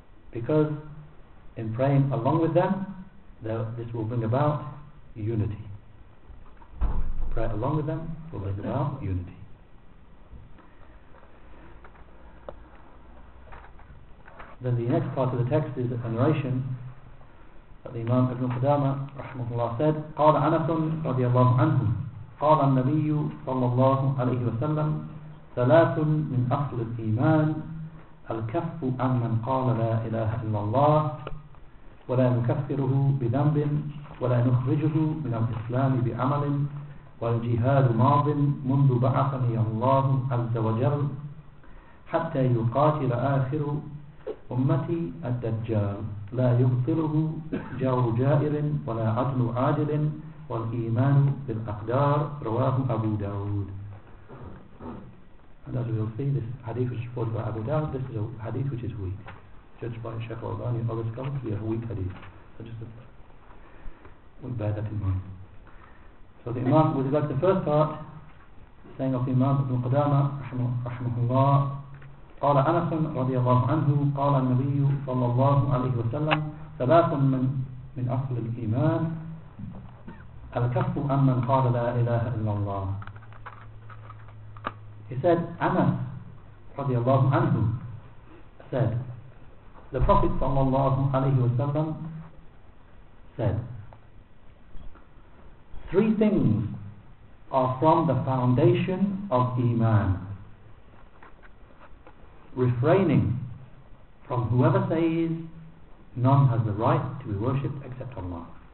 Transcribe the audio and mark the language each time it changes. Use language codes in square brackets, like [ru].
[en] Because in praying along with them, this will bring about unity. Prayer along with them will bring about unity. Then the next part of the text is a narration. The Imam Ibn Qudama rahimahullah said, [ar] قَالَ عَنَثٌ رَضِيَ اللَّهُ عَنْهُمْ قَالَ النَّبِيُّ صَلَّى اللَّهُ عَلَيْهِ وَسَلَّمْ ثَلَاثٌ مِنْ أَصْلِ الْإِيمَانِ الْكَفُّ عَنْ مَنْ قَالَ لَا إِلَهَ إِلَّا اللَّهُ وَلَا نُكَفِّرُهُ بِذَنْبٍ وَلَا نُخْرِجُهُ مِنَ الْإِسْلَامِ بِعَمَلٍ وَالْجِهَادُ مَاضٍ مُنْذُ بَعَثَنِي اللَّهُ عَزَّ وَجَلَّ حَتَّى يُقَاتِلَ آخِرُ أمتي الدجال لا يبطله جار جائر ولا عدل عادل والإيمان بالأقدار رواه أبو داود. [en] And as we will see, this hadith is supported by Abu Dawud. This is a hadith which is weak, judged by Shaykh al-Albani and others come to be a weak hadith. So just we bear that in mind. So the Imam, with regard to the first part, saying of the Imam Ibn Qudama rahimahullah, [ar] قال أنس رضي الله عنه قال النبي صلى الله عليه وسلم ثلاث من أصل الإيمان الكف عن من قال لا إله إلا الله. [en] He said, أنس [ar] رضي الله عنه [en] said, the Prophet [ar] صلى الله عليه وسلم [en] said, three things are from the foundation of Iman: refraining from whoever says none has the right to be worshipped except Allah.